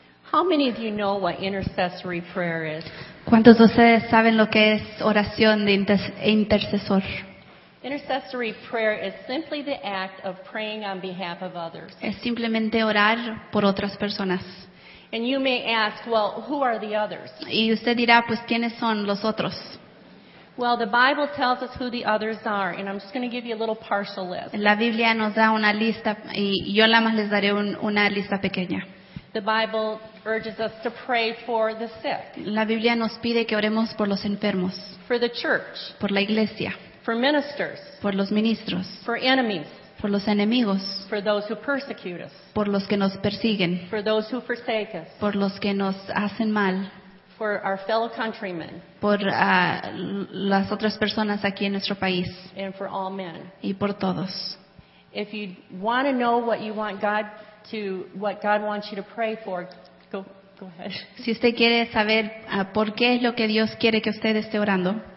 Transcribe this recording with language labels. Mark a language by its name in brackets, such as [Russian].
[English] How many of you know what intercessory prayer is? [Spanish] ¿Cuántos de ustedes saben lo que es oración de intercesor? [English] Intercessory prayer is simply the act of praying on behalf of others. [Spanish] Es simplemente orar por otras personas. [English] And you may ask, well, who are the others? [Spanish] Y usted dirá, pues, ¿quiénes son los otros? [English] Well, the Bible tells us who the others are, and I'm just going to give you a little partial list. [Spanish] La Biblia nos da una lista, y yo nada más les daré una lista pequeña. [English] The Bible urges us to pray for the sick. [Spanish] La Biblia nos pide que oremos por los enfermos. [English] For the church. [Spanish] Por la iglesia. [English] For ministers. [Spanish] Por los ministros. [English] For enemies. [Spanish] Por los enemigos. [English] For those who persecute us. [Spanish] Por los que nos persiguen. [English] For those who forsake us. [Spanish] Por los que nos hacen mal. [English] For our fellow countrymen. [Spanish] Por las otras personas aquí en nuestro país. [English] And for all men. [Spanish] Y por todos. [English] If you want to know what God wants you to pray for, go ahead. [Spanish] Si usted quiere saber por qué es lo que Dios quiere que usted esté orando,